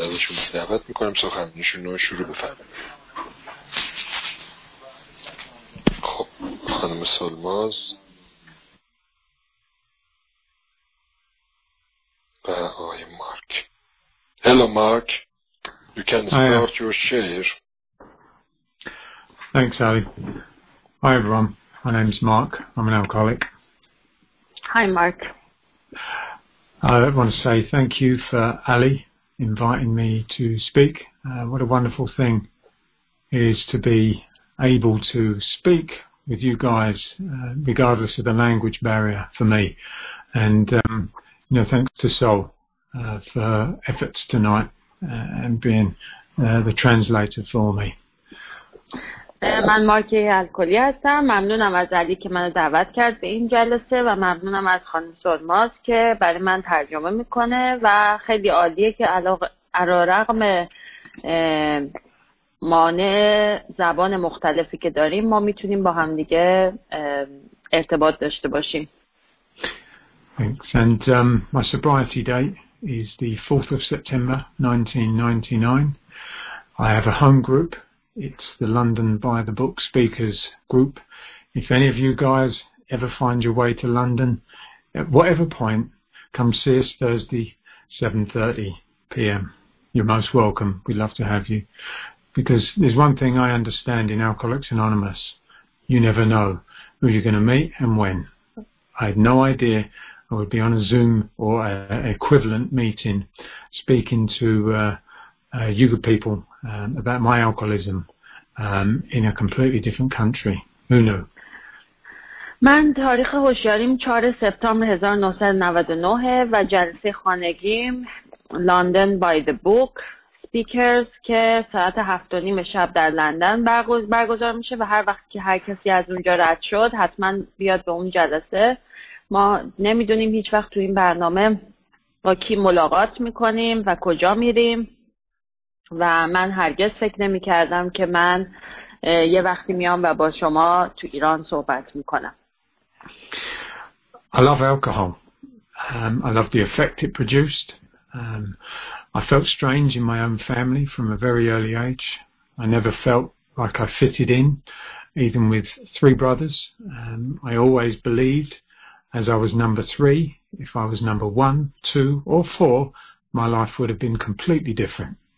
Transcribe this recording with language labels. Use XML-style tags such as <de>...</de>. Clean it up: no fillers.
<fa>ازشون دعوت می کنم سخنرانیشون رو شروع بفرمایید. خب خانم سلماز و آقای مارک.</fa> <en>Hello Mark, you can start your share. Thanks Ali. Hi everyone, my name is Mark, I'm an alcoholic. Hi Mark. I want to say thank you for Ali inviting me to speak. What a wonderful thing it is to be able to speak with you guys, regardless of the language barrier for me. And you know, thanks to Sol for her efforts tonight and being the translator for me.</en> <fa>من مارکی الکلی هستم. ممنونم از علی که منو دعوت کرد به این جلسه و ممنونم از خانم سلماز که برای من ترجمه میکنه و خیلی عالیه که علی رغم مانع زبان مختلفی که داریم ما میتونیم با هم دیگه ارتباط داشته باشیم.</fa> <en>Thanks. And my sobriety date is the 4th of September 1999. I have a home group. It's the London by the Book Speakers group. If any of you guys ever find your way to London, at whatever point, come see us Thursday, 7:30 p.m. You're most welcome. We'd love to have you. Because there's one thing I understand in Alcoholics Anonymous. You never know who you're going to meet and when. I had no idea I would be on a Zoom or an equivalent meeting speaking to you good people about my alcoholism in a completely different country. Who knew?</en> <fa>من تاریخ هوشیاریم 4 سپتامبر 1999 و جلسه خانگیم لندن بای دی بوک سپیکرز که ساعت 7:30 شب در لندن برگزار میشه و هر وقت که هر کسی از اونجا رد شد حتما بیاد به اون جلسه. ما نمیدونیم هیچ وقت تو این برنامه با کی ملاقات میکنیم و کجا میریم و من هرگز فکر نمی کردم که من یه وقتی میام و با شما تو ایران صحبت میکنم.</fa> <en>I love alcohol. I love the effect it produced. I felt strange in my own family from a very early age. I never felt like I fitted in, even with three brothers. I always believed, as I was number three, if I was number one, two, or four, my life would have been completely different.</en>